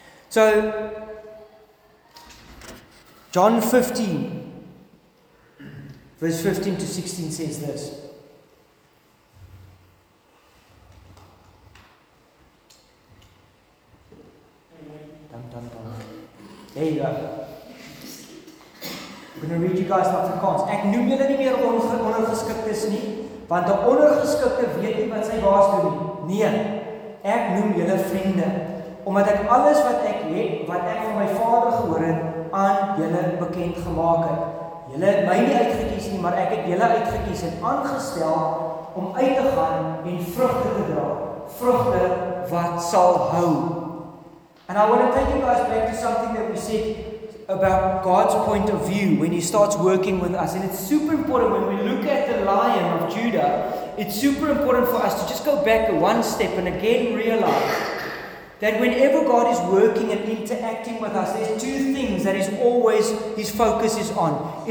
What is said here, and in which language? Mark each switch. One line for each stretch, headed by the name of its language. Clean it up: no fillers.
English: So, John 15, verse 15 to 16 says this. There you go. I'm going to read you guys the Afrikaans.
Afrikaans: Ek noem julle nie meer ondergeskiktes nie, want 'n ondergeskikte weet nie wat sy baas doen nie. Nee, ek noem julle vriende, omdat ek alles wat ek het, wat ek van my Vader gehoor het, aan julle bekend gemaak het. Julle het my nie uitgekies nie, maar ek het julle uitgekies en aangestel om uit te gaan en vrugte te dra. Vrugte wat sal hou.
English: And I want to take you guys back to something that we said about God's point of view when He starts working with us. And it's super important when we look at the Lion of Judah, it's super important for us to just go back one step and again realize that whenever God is working and interacting with us, there's two things that His focus is on.